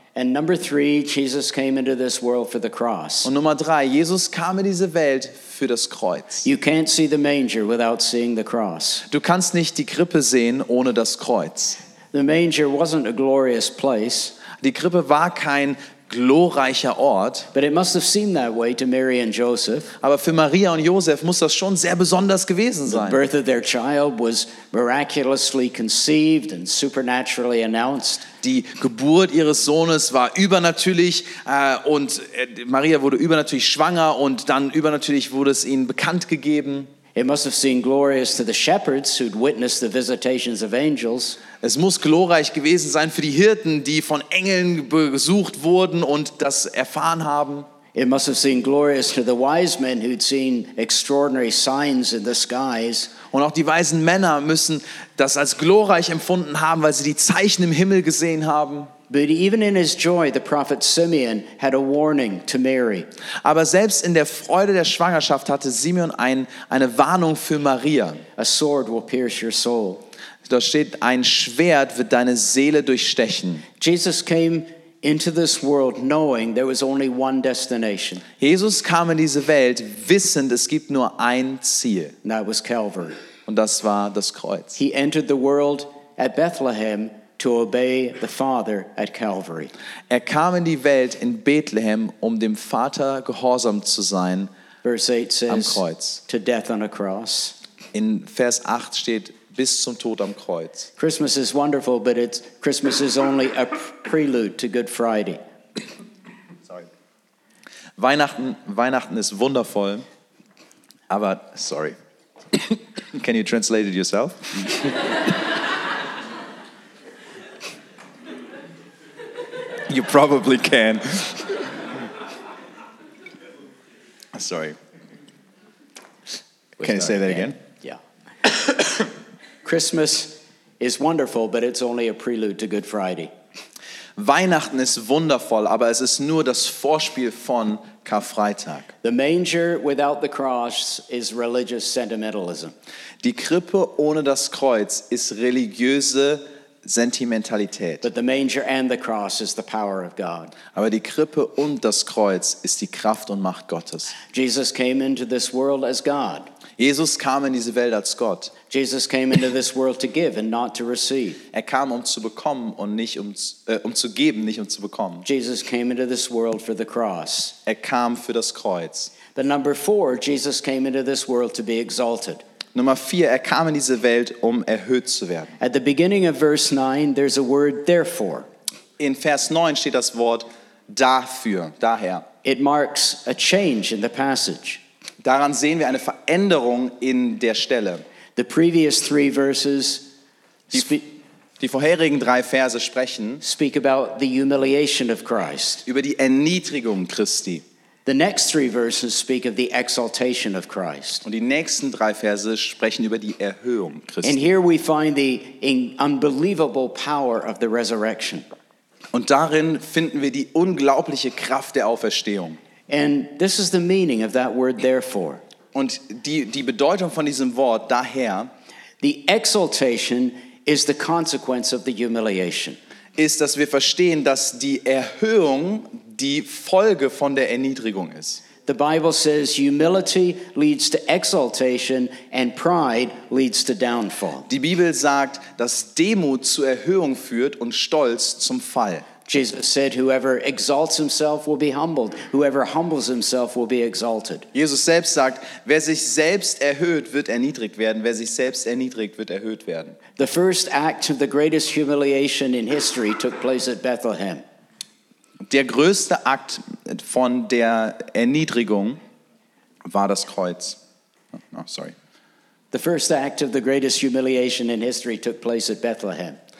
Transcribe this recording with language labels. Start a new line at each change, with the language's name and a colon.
English: And number three, Jesus came into this world for the cross.
German: Und Nummer drei, Jesus kam in diese Welt für das Kreuz.
English: You can't see the manger without seeing the cross.
German: Du kannst nicht die Krippe sehen ohne das Kreuz.
English: The manger wasn't a glorious place.
German: Die Krippe war kein glorreicher Ort.
English: But it must have seemed that way to Mary and Joseph.
German: Aber für Maria und Josef muss das schon sehr besonders gewesen sein.
English: The birth of their child was miraculously conceived and supernaturally announced.
German: Die Geburt ihres Sohnes war übernatürlich und Maria wurde übernatürlich schwanger und dann übernatürlich wurde es ihnen bekannt gegeben.
English: It must have seemed glorious to the shepherds who'd witnessed the visitations of angels.
German: Es muss glorreich gewesen sein für die Hirten, die von Engeln besucht wurden und das erfahren haben.
English: It must have seemed glorious to the wise men who'd seen extraordinary signs in the skies.
German: Und auch die weisen Männer müssen das als glorreich empfunden haben, weil sie die Zeichen im Himmel gesehen haben.
English: But even in his joy, the prophet Simeon had a warning to Mary.
German: Aber selbst in der Freude der Schwangerschaft hatte Simeon eine Warnung für Maria.
English: A sword will pierce your soul.
German: Da steht, ein Schwert wird deine Seele durchstechen.
English: Jesus came into this world knowing there was only one destination.
German: Jesus kam in diese Welt wissend, es gibt nur ein Ziel.
English: And that was Calvary.
German: Und das war das Kreuz.
English: He entered the world at Bethlehem to obey the Father at Calvary.
German: Er kam in die Welt in Bethlehem, um dem Vater gehorsam zu sein.
English: Verse 8 says,
German: am Kreuz.
English: To death on a cross.
German: In Vers 8 steht, bis zum Tod am Kreuz.
English: Christmas is wonderful, but it's Christmas is only a prelude to Good Friday.
German: Sorry. Weihnachten ist wundervoll, aber sorry.
English: Can you translate it yourself? You probably can. Sorry. Can you say that again? Yeah. Christmas is wonderful, but it's only a prelude to Good Friday.
German: Weihnachten ist wundervoll, aber es ist nur das Vorspiel von Karfreitag.
English: The manger without the cross is religious sentimentalism.
German: Die Krippe ohne das Kreuz ist religiöse Sentimentalität.
English: But the manger and the cross is the power of God.
German: Aber die Krippe und das Kreuz ist die Kraft und Macht Gottes.
English: Jesus came into this world as God.
German: Jesus kam in diese Welt als Gott.
English: Jesus came into this world to give and not to receive.
German: Er kam um zu bekommen und nicht um zu geben, nicht um zu bekommen.
English: Jesus came into this world for the cross.
German: Er kam für das Kreuz.
English: But number four, Jesus came into this world to be exalted.
German: Nummer 4, er kam in diese Welt, um erhöht zu werden.
English: At the beginning of verse 9, there's a word therefore.
German: In Vers 9 steht das Wort dafür, daher.
English: It marks a change in the passage.
German: Daran sehen wir eine Veränderung in der Stelle.
English: The previous three verses
German: die vorherigen drei Verse sprechen
English: speak about the humiliation of Christ.
German: Über die Erniedrigung Christi.
English: The next three verses speak of the exaltation of Christ.
German: Und die nächsten drei Verse sprechen über die Erhöhung Christi.
English: And here we find the unbelievable power of the resurrection.
German: Und darin finden wir die unglaubliche Kraft der Auferstehung.
English: And this is the meaning of that word therefore.
German: Und die Bedeutung von diesem Wort daher,
English: the exaltation is the consequence of the humiliation.
German: Ist, dass wir verstehen, dass die Erhöhung die Folge von der Erniedrigung ist.
English: The Bible says humility leads to exaltation and pride leads to downfall.
German: Die Bibel sagt, dass Demut zu Erhöhung führt und Stolz zum Fall.
English: Jesus said, whoever exalts himself will be humbled. Whoever humbles himself will be exalted.
German: Jesus selbst sagt, wer sich selbst erhöht, wird erniedrigt werden. Wer sich selbst erniedrigt, wird erhöht werden.
English: The first act of the greatest humiliation in history took place at Bethlehem.
German: Der größte Akt von der Erniedrigung war das Kreuz.
English: Oh, sorry. The first act of the greatest humiliation in history took place at Bethlehem.